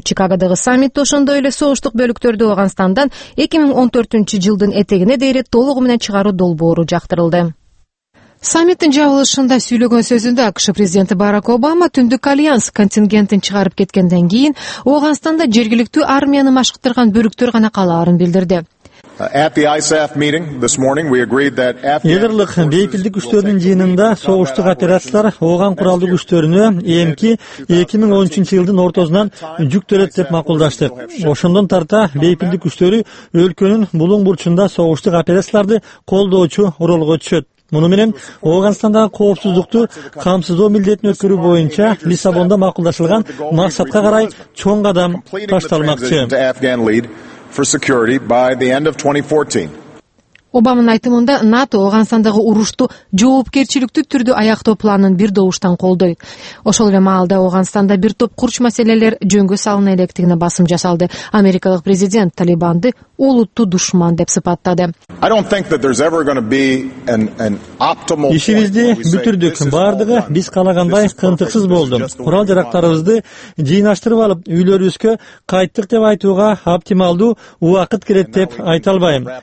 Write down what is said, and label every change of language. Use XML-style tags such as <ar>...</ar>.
<ky>Чикагодогу саммит ошондой эле согуштук бөлүктөрдү Афганистандан 2014 жылдын этегине дейин толугу менен чыгаруу долбоору жактырылды. Саммиттин жабылышында сүйлөгөн сөзүндө АКШ президенти Барак Обама түндүк альянс контингентин чыгарып кеткенден кийин Афганистанда жергиликтүү армияны машыктырган бөлүктөр гана калаарын билдирди.</ky> <en>At the ISAF meeting this morning we agreed that</en> <ky>Эгерлик бейпилдик күчтөрүнүн жыйынында согуштук операциялар Ооган куралдуу күчтөрүнө эмки 2013 жылдын ортосунан жүктөлөт деп макулдаштык. Ошондон тарта бейпилдик күчтөрү өлкөнүн булуң бурчунда согуштук операцияларды колдоочу ролго түшөт. Муну менен Афганистандагы коопсуздукту камсыздоо милдетин өткөрүү боюнча Лиссабондо макулдашылган максатка карай чоң кадам башталмакчы.</ky> <en>For security by the end of 2014.</en> <ky>Обаманын айтымында НАТО Афганистандагы урушту жоопкерчиликтүү түрдө аяктоо планын бир добуштан колдойт. Ошол эле маалда Афганистанда бир топ курч маселелер жөнгө салына электигине басым жасалды. Америкалык президент Талибанды улуттуу душман деп сыпаттады.</ky> <en>I don't think that there's ever going to be an optimal way.</en> <ky>Ишибизди бүтүрдүк, бардыгы биз калагандай кынтыксыз болду. Курал-жарактарыбызды жыйнаштырып алып, үйлөрүбүзгө кайттык деп айтууга оптималдуу убакыт керек деп айта албайм.</ky>